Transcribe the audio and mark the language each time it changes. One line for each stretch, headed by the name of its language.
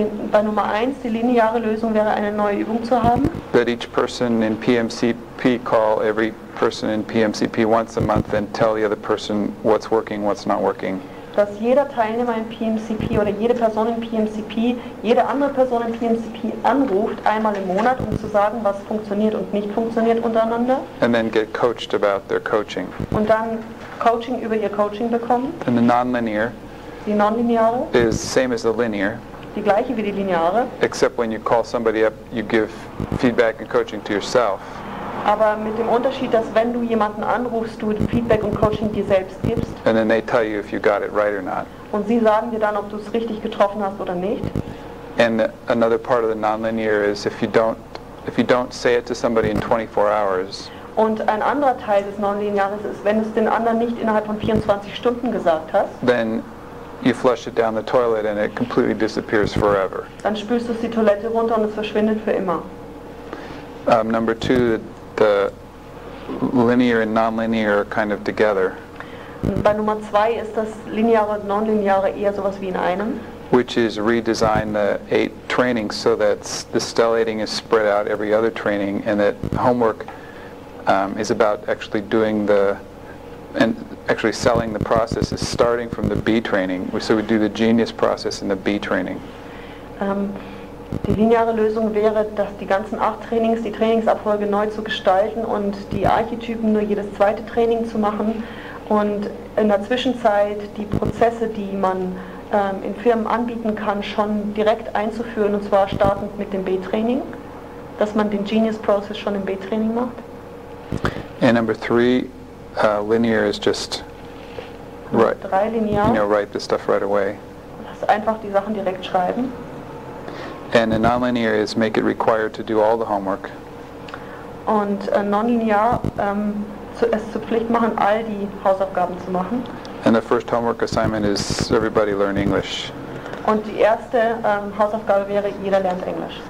German: Bei Nummer 1, die lineare Lösung wäre, eine neue Übung zu haben.
English: That each person in PMCP call every person in PMCP once a month and tell the other person what's working, what's not working.
German: Dass jeder Teilnehmer in PMCP oder jede Person in PMCP, jede andere Person in PMCP anruft, einmal im Monat, um zu sagen, was funktioniert und nicht funktioniert untereinander.
English: And then get coached about their coaching.
German: Und dann Coaching über ihr Coaching bekommen.
English: And the non-linear,
German: die non-lineare,
English: is same as the linear.
German: Die gleiche wie die lineare.
English: Except when you call somebody up, you give feedback and coaching to yourself.
German: Aber mit dem Unterschied, dass wenn du jemanden anrufst, du Feedback und Coaching dir selbst gibst.
English: And then they tell you if you got it right or not.
German: Und sie sagen dir dann, ob du es richtig getroffen hast oder nicht.
English: And another part of the non-linear is if you don't say it to somebody in 24 hours.
German: Und ein anderer Teil des non-linearen ist, wenn du es den anderen nicht innerhalb von 24 Stunden gesagt hast.
English: Then you flush it down the toilet and it completely disappears forever.
German: Dann spülst du die Toilette runter und es verschwindet für immer.
English: Number two, the linear and non-linear are kind of together.
German: Bei Nummer 2 ist das lineare und non-lineare eher sowas wie in einem.
English: Which is redesign the 8 trainings so that the stellating is spread out every other training and that homework is about actually doing the and actually selling the process is starting from the B training. So we do the genius process in the B training.
German: Die lineare Lösung wäre, dass die ganzen 8 Trainings, die Trainingsabfolge neu zu gestalten und die Archetypen nur jedes zweite Training zu machen und in der Zwischenzeit die Prozesse, die man in Firmen anbieten kann, schon direkt einzuführen und zwar startend mit dem B Training, dass man den genius process schon im B Training macht.
English: And number 3, linear is just right. 3 linear. You know, write the stuff right away.
German: Einfach die Sachen direkt schreiben.
English: And a non-linear is make it required to do all the homework.
German: Und non-linear es zur Pflicht machen, all die Hausaufgaben zu machen.
English: And the first homework assignment is everybody learn English.
German: Und die erste Hausaufgabe wäre, jeder lernt Englisch.